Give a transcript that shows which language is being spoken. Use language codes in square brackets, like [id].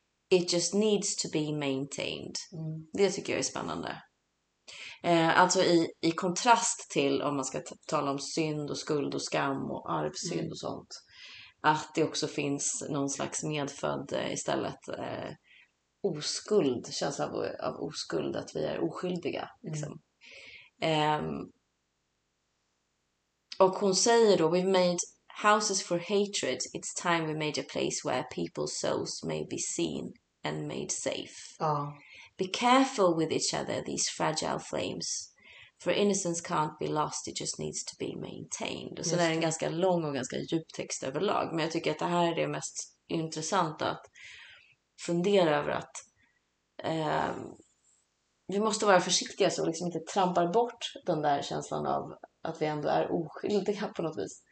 [en] It just needs to be maintained. Mm. [sv] Det tycker jag är spännande. Alltså i kontrast till om man ska tala om synd och skuld och skam och arvsynd och sånt. Att det också finns någon slags medfödd istället. Oskuld, känns av oskuld att vi är oskyldiga liksom. Och hon säger då, [en] we've made houses for hatred, it's time we made a place where people's souls may be seen and made safe. Be careful with each other, these fragile flames, for innocence can't be lost, it just needs to be maintained. [sv] Och så är det en ganska lång och ganska djup text överlag, men jag tycker att det här är det mest intressanta att fundera över, att vi måste vara försiktiga så liksom inte trampar bort den där känslan av att vi ändå är oskyldiga på något vis.